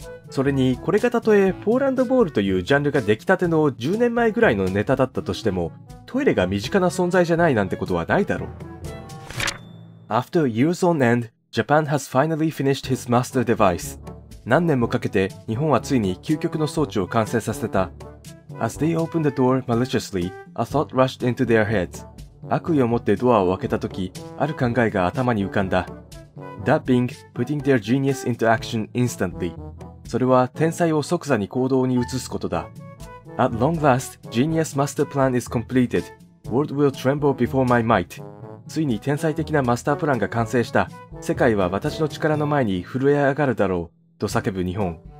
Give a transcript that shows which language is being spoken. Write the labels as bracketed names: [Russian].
[Japanese] それに、これがたとえ、ポーランドボールというジャンルができたての10年前ぐらいのネタだったとしても、トイレが身近な存在じゃないなんてことはないだろう。 [English] After years on end, Japan has finally finished his master device. [Japanese] 何年もかけて、日本はついに究極の装置を完成させた。 [English] As they opened the door maliciously, a thought rushed into their heads. [Japanese] 悪意を持ってドアを開けたとき、ある考えが頭に浮かんだ。 [English] That being, putting their genius into action instantly. [Japanese] それは天才を即座に行動に移すことだ。 [English] At long last, genius master plan is completed. World will tremble before my might. [Japanese] ついに天才的なマスタープランが完成した。世界は私の力の前に震え上がるだろう。と叫ぶ日本。